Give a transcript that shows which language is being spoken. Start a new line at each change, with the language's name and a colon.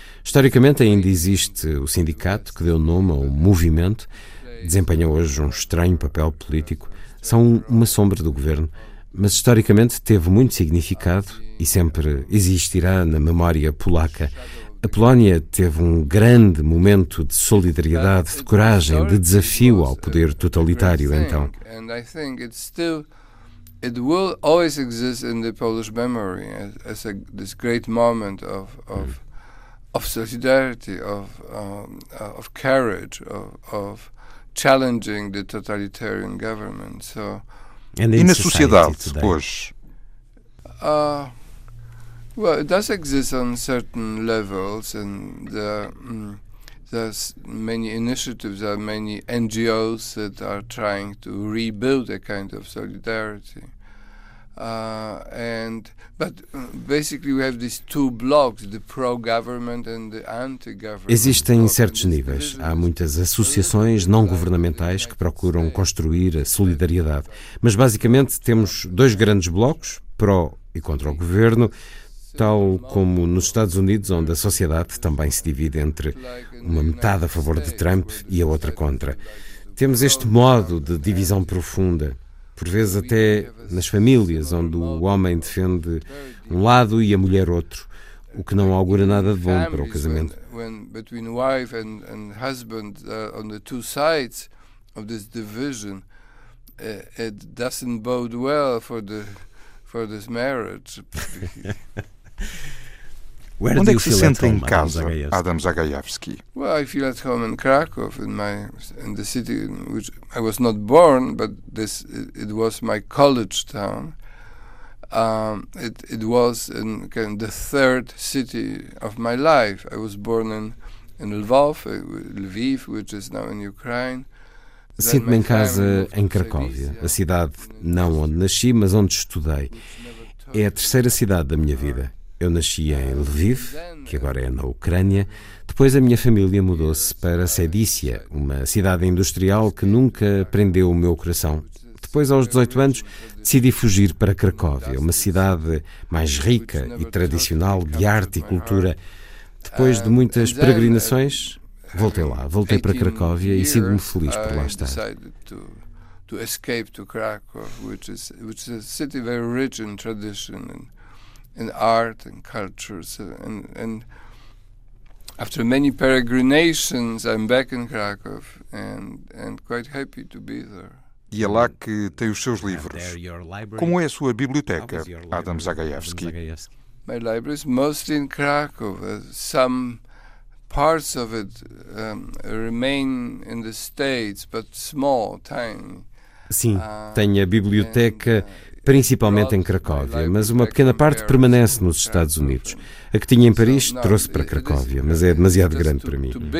Portuguese: Historicamente ainda existe o sindicato, que deu nome ao movimento, desempenha hoje um estranho papel político. São uma sombra do governo, mas historicamente teve muito significado e sempre existirá na memória polaca. A Polónia teve um grande momento de solidariedade, de coragem, de desafio ao poder totalitário então.
English: And I think it still it will always exist in the Polish memory as a this great moment of solidarity, of courage, of challenging the totalitarian government. So and in
Portuguese: a sociedade depois.
English: Well, it does exist on certain levels, and there's many initiatives, there are many NGOs that are trying to rebuild a kind of solidarity. But basically, we have these two blocks: the pro-government and the anti-government.
Portuguese: Existem certos níveis. Há muitas associações não governamentais que procuram construir a solidariedade. Mas basicamente temos dois grandes blocos: pró e contra o governo. Tal como nos Estados Unidos, onde a sociedade também se divide entre uma metade a favor de Trump e a outra contra. Temos este modo de divisão profunda, por vezes até nas famílias, onde o homem defende um lado e a mulher outro, o que não augura nada de bom para o casamento.
English: Between wife and husband, on the two sides of this division, it doesn't bode well for the for this marriage.
Portuguese: Where onde é que se sente em casa, Adam Zagajewski?
English: Well, I feel at home in Krakow, in the city in which I was not born, but this it was my college town. It was in kind of the third city of my life. I was born in Lvov, Lviv, which is now in Ukraine.
Portuguese: Sinto-me em casa em Cracóvia, a cidade não onde nasci, mas onde estudei. É a terceira cidade da minha vida. Eu nasci em Lviv, que agora é na Ucrânia. Depois a minha família mudou-se para Sedícia, uma cidade industrial que nunca prendeu o meu coração. Depois, aos 18 anos, decidi fugir para Cracóvia, uma cidade mais rica e tradicional de arte e cultura. Depois de muitas peregrinações, voltei lá, voltei para Cracóvia e sinto-me feliz por lá estar.
English: To escape to Krakow, which is a city very rich in tradition and in art and cultures, and after many peregrinations, I'm back in Krakow and quite happy to be there.
Portuguese: E é lá que tem os seus livros. Como é a sua biblioteca, Adam Zagajewski?
English: My library is mostly in Krakow. Some parts of it remain in the States, but small, tiny.
Portuguese: Sim, tenho a biblioteca principalmente em Cracóvia, mas uma pequena parte permanece nos Estados Unidos. A que tinha em Paris trouxe para Cracóvia, mas é demasiado grande para mim.